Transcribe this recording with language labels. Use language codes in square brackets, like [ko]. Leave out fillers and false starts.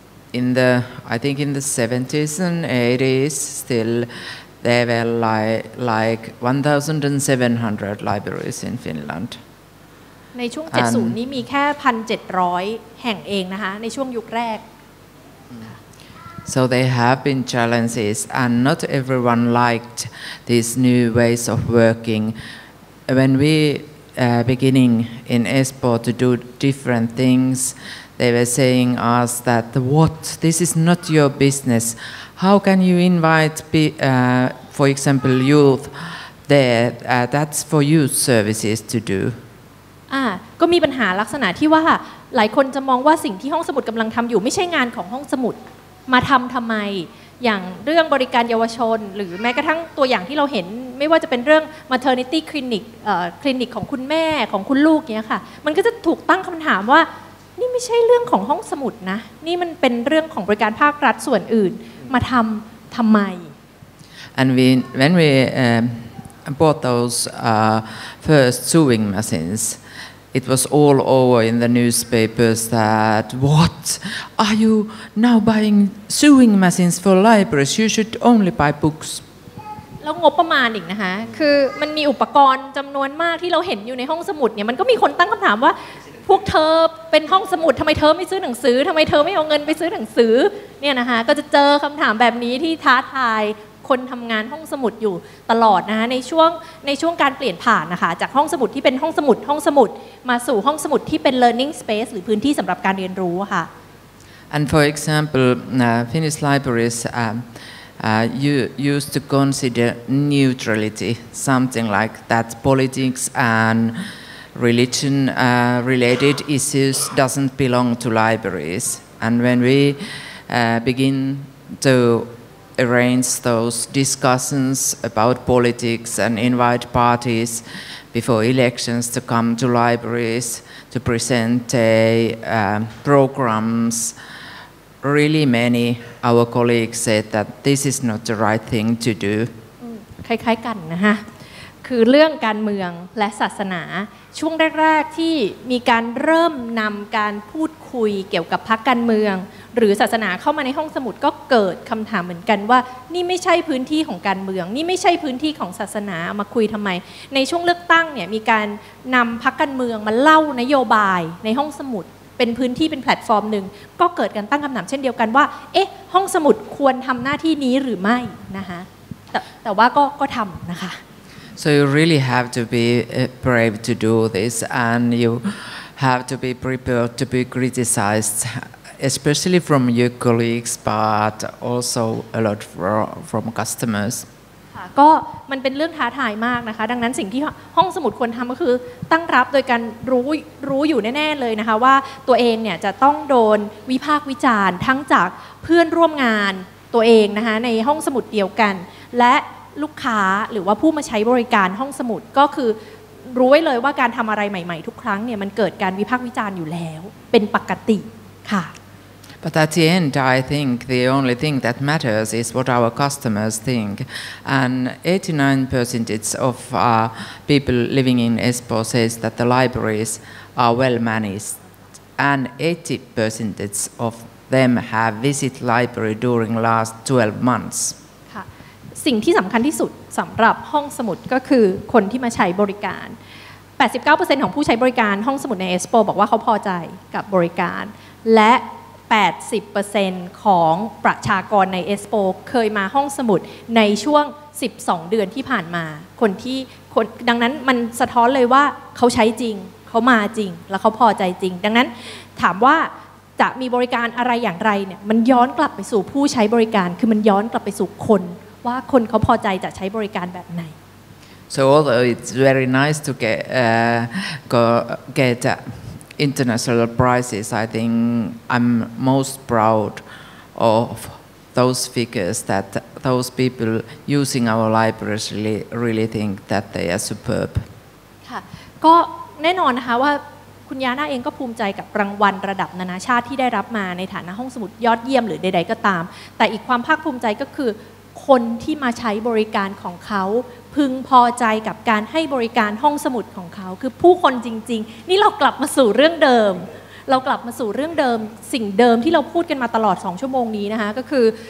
[en] In the 70s and 80s still there were like 1,700 libraries in Finland [th] ในช่วง70นี้มีแค่ 1,700 แห่งเองนะคะในช่วงยุคแรก [en] So there have been challenges and not everyone liked these new ways of working when we beginning in Espoo to do different thingsThey were saying us that what this is not your business. How can you invite, for example, youth there? That's for youth services to do. [th] ก็มีปัญหาลักษณะที่ว่าหลายคนจะมองว่าสิ่งที่ห้องสมุดกำลังทำอยู่ไม่ใช่งานของห้องสมุดมาทำทำไมอย่างเรื่องบริการเยาวชนหรือแม้กระทั่งตัวอย่างที่เราเห็นไม่ว่าจะเป็นเรื่อง maternity clinic คลินิกของคุณแม่ของคุณลูกเนี้ยค่ะมันก็จะถูกตั้งคำถามว่านี่ไม่ใช่เรื่องของห้องสมุดนะนี่มันเป็นเรื่องของบริการภาครัฐส่วนอื่นมาทำทำไม [en] And when we bought those first sewing machines it was all over in the newspapers that what are you now buying sewing machines for libraries you should only buy books [th] แล้วงบประมาณอีกนะคะคือมันมีอุปกรณ์จำนวนมากที่เราเห็นอยู่ในห้องสมุดเนี่ยมันก็มีคนตั้งคำถามว่าพวกเธอเป็นห้องสมุดทำไมเธอไม่ซื้อหนังสือทำไมเธอไม่เอาเงินไปซื้อหนังสือเนี่ยนะคะก็จะเจอคำถามแบบนี้ที่ท้าทายคนทำงานห้องสมุดอยู่ตลอดนะคะในช่วงการเปลี่ยนผ่านนะคะจากห้องสมุดที่เป็นห้องสมุดมาสู่ห้องสมุดที่เป็น learning space หรือพื้นที่สำหรับการเรียนรู้ค่ะ [en] And for example, Finnish libraries used to consider neutrality, something like that politics and religion related issues doesn't belong to libraries. And when we begin to arrange those discussions about politics and invite parties before elections to come to libraries to present programs, really many our colleagues said that this is not the right thing to do. [th] คล้ายๆกันนะฮะคือเรื่องการเมืองและศาสนาช่วงแรกๆที่มีการเริ่มนำการพูดคุยเกี่ยวกับพรรคการเมืองหรือศาสนาเข้ามาในห้องสมุดก็เกิดคำถามเหมือนกันว่านี่ไม่ใช่พื้นที่ของการเมืองนี่ไม่ใช่พื้นที่ของศาสนามาคุยทำไมในช่วงเลือกตั้งเนี่ยมีการ นำพรรคการเมืองมาเล่านโยบายในห้องสมุดเป็นพื้นที่เป็นแพลตฟอร์มหนึ่งก็เกิดการตั้งคำถามเช่นเดียวกันว่าเอ๊ะห้องสมุดควรทำหน้าที่นี้หรือไม่นะคะแต่ว่าก็ทำนะคะ [en] So you really have to be brave to do this and you have to be prepared to be criticized especially from your colleagues but also a lot from customers [th] ก็มันเป็นเรื่องท้าทายมากนะคะดังนั้นสิ่งที่ห้องสมุดควรทำก็คือตั้งรับโดยการรู้อยู่แน่ๆเลยนะคะว่าตัวเองเนี่ยจะต้องโดนวิพากษ์วิจารณ์ทั้งจากเพื่อนร่วมงานตัวเองนะคะในห้องสมุดเดียวกันและลูกค้าหรือว่าผู้มาใช้บริการห้องสมุดก็คือรู้ไว้เลยว่าการทำอะไรใหม่ๆทุกครั้งเนี่ยมันเกิดการวิพากษ์วิจารณ์อยู่แล้วเป็นปกติค่ะ [en] But at the end I think the only thing that matters is what our customers think and 89% of people living in Espoo says that the libraries are well managed and 80% of them have visited library during last 12 months [th] สิ่งที่สำคัญที่สุดสำหรับห้องสมุดก็คือคนที่มาใช้บริการ 89% ของผู้ใช้บริการห้องสมุดใน Espoo บอกว่าเขาพอใจกับบริการและ 80% ของประชากรใน Espoo เคยมาห้องสมุดในช่วง12เดือนที่ผ่านมา ดังนั้นมันสะท้อนเลยว่าเขาใช้จริงเขามาจริงและเขาพอใจจริงดังนั้นถามว่าจะมีบริการอะไรอย่างไรเนี่ยมันย้อนกลับไปสู่ผู้ใช้บริการคือมันย้อนกลับไปสู่คนว่าคนเขาพอใจจะใช้บริการแบบไหน [en] So although it's very nice to get international prizes I think I'm most proud of those figures that those people using our libraries really think that they are superb [th] ค่ะก็แน่นอนนะคะว่าคุณยาน่าเองก็ภูมิใจกับรางวัลระดับนานาชาติที่ได้รับมาในฐานะห้องสมุดยอดเยี่ยมหรือใดๆก็ตามแต่อีกความภาคภูมิใจก็คือคนที่มาใช้บริการของเขาพึงพอใจกับการให้บริการห้องสมุดของเขาคือผู้คนจริงๆนี่เรากลับมาสู่เรื่องเดิมเรากลับมาสู่เรื่องเดิมสิ่งเดิมที่เราพูดกันมาตลอด2ชั่วโมงนี้นะคะก็คือ